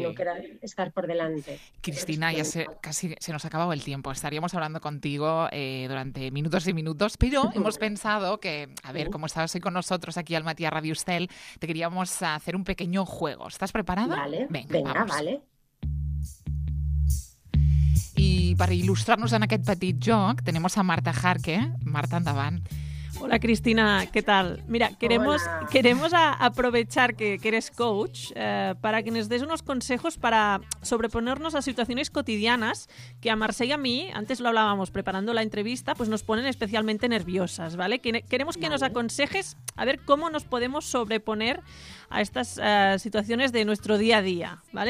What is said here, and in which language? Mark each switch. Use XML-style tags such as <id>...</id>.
<es>no querer estar por delante. Cristina, ya casi se nos ha acabado el tiempo. Estaríamos hablando contigo durante minutos y minutos, pero hemos pensado que, a ver, como estabas hoy con nosotros aquí al Matías Radio Estel, te queríamos hacer un pequeño juego. ¿Estás preparada? Vale. Venga, venga, vamos. Vale.</es> <ca>I per il·lustrar-nos en aquest petit joc, tenim a Marta Jarque. Marta, endavant.</ca> <es>Hola Cristina, ¿qué tal? Mira, queremos aprovechar que eres coach para que nos des unos consejos para sobreponernos a situaciones cotidianas que a Marcella y a mí, antes lo hablábamos preparando la entrevista, pues nos ponen especialmente nerviosas, ¿vale? Queremos que nos aconsejes a ver cómo nos podemos sobreponer a estas situaciones de nuestro día a día, ¿vale?</es>